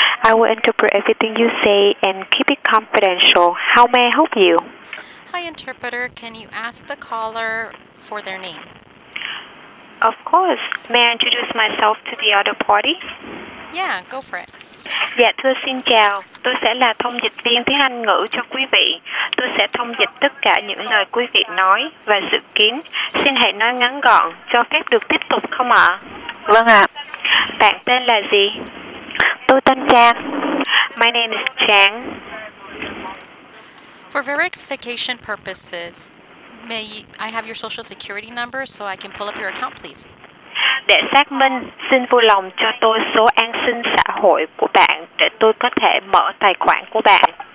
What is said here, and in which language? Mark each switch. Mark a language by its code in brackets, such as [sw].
[en] I will interpret everything you say and keep it confidential. How may I help you? Hi, interpreter. Can you ask the caller for their name? Of course. May I introduce myself to the other party? Yeah, go for it. [vi] Dạ, thưa xin chào. Tôi sẽ là thông dịch viên tiếng Anh ngữ cho quý vị. Tôi sẽ thông dịch tất cả những lời quý vị nói và dự kiến. Xin hãy nói ngắn gọn, cho phép được tiếp tục không ạ? Vâng ạ. Bạn tên là gì? Tôi tên Trang. [en] My name is Trang. For verification purposes, may I have your social security number so I can pull up your account, please? [vi] Để xác minh, xin vui lòng cho tôi số an sinh xã hội của bạn để tôi có thể mở tài khoản của bạn.